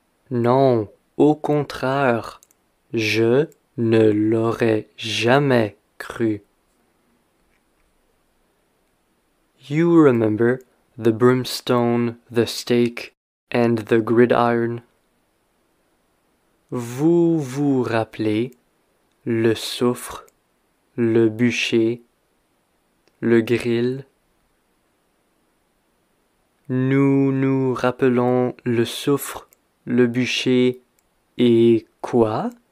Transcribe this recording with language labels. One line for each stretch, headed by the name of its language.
French: Non, au contraire, je ne l'aurais jamais cru.
English: You remember the brimstone, the stake, and the gridiron?
French: Vous vous rappelez le soufre, le bûcher, le grill? Nous nous rappelons le soufre, le bûcher et quoi?